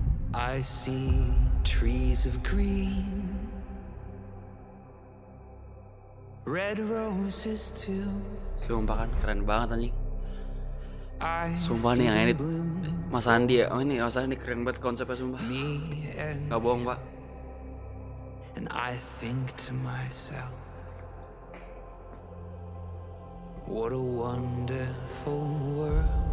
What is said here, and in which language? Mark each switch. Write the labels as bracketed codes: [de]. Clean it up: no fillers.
[en] I see trees of green, red roses too. [id] Sumpah kan keren banget anjing. Sumpah nih yang edit Mas Andi ya. Oh ini Mas Andi keren banget konsepnya sumpah. Enggak bohong, Pak. [en] And I think to myself, what a wonderful world.